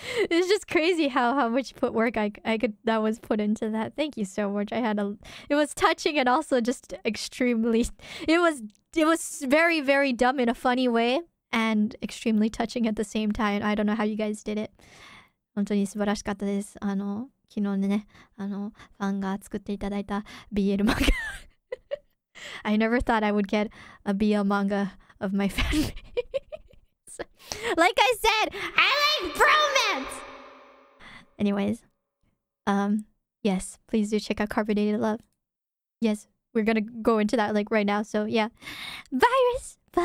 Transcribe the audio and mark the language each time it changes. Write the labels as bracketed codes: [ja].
[en] It's just crazy how much put work that was put into that. Thank you so much. It was touching and also just extremely. It was very, very dumb in a funny way and extremely touching at the same time. I don't know how you guys did it. [ja] 本当に素晴らしかったです。昨日ね、ファンが作っていただいた BL 漫画。 [en] I never thought I would get a BL manga of my family. Like I said, I like bromance! Anyways, yes, please do check out Carbonated Love. Yes, we're gonna go into that like right now, so yeah. Virus!